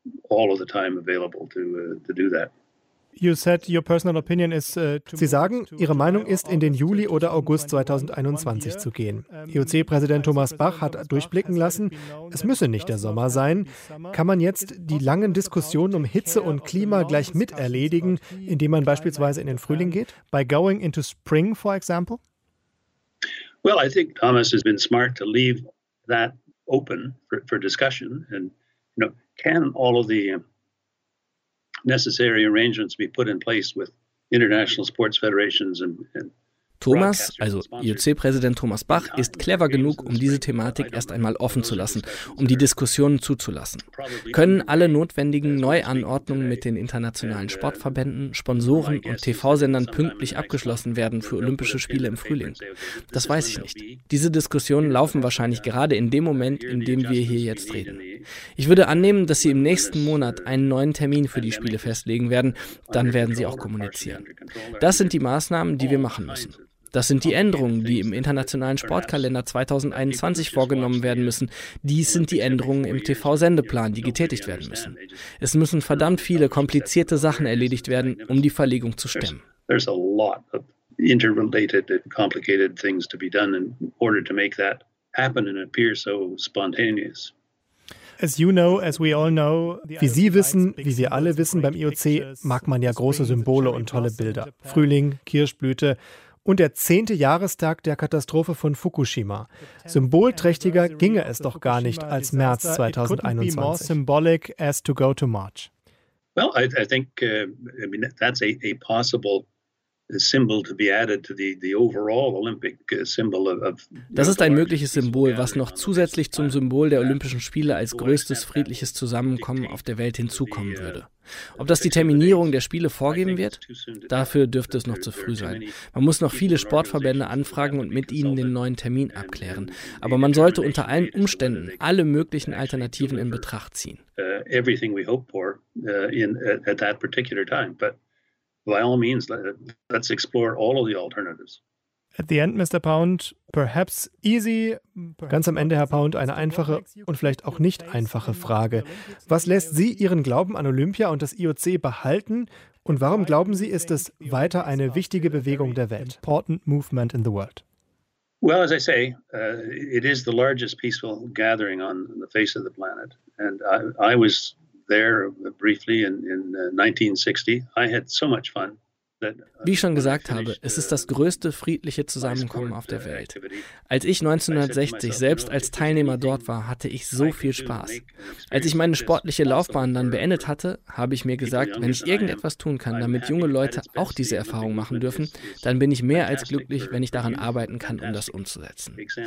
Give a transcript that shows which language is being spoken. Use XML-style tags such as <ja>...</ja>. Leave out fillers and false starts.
<en>All of the time available to do that. You said your personal opinion is.</en> <de>Sie sagen, Ihre Meinung ist, in den Juli oder August 2021 zu gehen. IOC-Präsident Thomas Bach hat durchblicken lassen, es müsse nicht der Sommer sein. Kann man jetzt die langen Diskussionen um Hitze und Klima gleich miterledigen, indem man beispielsweise in den Frühling geht?</de> <en>By going into spring, for example. Well, I think Thomas has been smart to leave that open for discussion and. Can all of the necessary arrangements be put in place with international sports federations and</en> <de>Thomas, also IOC-Präsident Thomas Bach, ist clever genug, um diese Thematik erst einmal offen zu lassen, um die Diskussionen zuzulassen. Können alle notwendigen Neuanordnungen mit den internationalen Sportverbänden, Sponsoren und TV-Sendern pünktlich abgeschlossen werden für Olympische Spiele im Frühling? Das weiß ich nicht. Diese Diskussionen laufen wahrscheinlich gerade in dem Moment, in dem wir hier jetzt reden. Ich würde annehmen, dass Sie im nächsten Monat einen neuen Termin für die Spiele festlegen werden, dann werden Sie auch kommunizieren. Das sind die Maßnahmen, die wir machen müssen. Das sind die Änderungen, die im internationalen Sportkalender 2021 vorgenommen werden müssen. Dies sind die Änderungen im TV-Sendeplan, die getätigt werden müssen. Es müssen verdammt viele komplizierte Sachen erledigt werden, um die Verlegung zu stemmen.</de> <en>There's a lot of interrelated and complicated things to be done in order to make that happen and appear so spontaneous. As you know, as we all know,</en> <de>wie Sie wissen, wie wir alle wissen, beim IOC mag man ja große Symbole und tolle Bilder. Frühling, Kirschblüte. Und der 10. Jahrestag der Katastrophe von Fukushima. Symbolträchtiger ginge es doch gar nicht als März 2021.</de> <en>Well, I think that's a possible symbol to be added to the overall Olympic symbol of.</en> <de>Das ist ein mögliches Symbol, was noch zusätzlich zum Symbol der Olympischen Spiele als größtes friedliches Zusammenkommen auf der Welt hinzukommen würde. Ob das die Terminierung der Spiele vorgeben wird? Dafür dürfte es noch zu früh sein. Man muss noch viele Sportverbände anfragen und mit ihnen den neuen Termin abklären. Aber man sollte unter allen Umständen alle möglichen Alternativen in Betracht ziehen.</de> <en>Everything we hope for at that particular time. But by all means, let's explore all of the alternatives. At the end, Mr. Pound, perhaps easy.</en> <de>Ganz am Ende, Herr Pound, eine einfache und vielleicht auch nicht einfache Frage. Was lässt Sie Ihren Glauben an Olympia und das IOC behalten? Und warum glauben Sie, ist es weiter eine wichtige Bewegung der Welt?</de> <en>Important movement in the world. Well, as I say, it is the largest peaceful gathering on the face of the planet. And I was there briefly in 1960. I had so much fun.</en> <de>Wie ich schon gesagt habe, es ist das größte friedliche Zusammenkommen auf der Welt. Als ich 1960 selbst als Teilnehmer dort war, hatte ich so viel Spaß. Als ich meine sportliche Laufbahn dann beendet hatte, habe ich mir gesagt, wenn ich irgendetwas tun kann, damit junge Leute auch diese Erfahrung machen dürfen, dann bin ich mehr als glücklich, wenn ich daran arbeiten kann, um das umzusetzen.</de>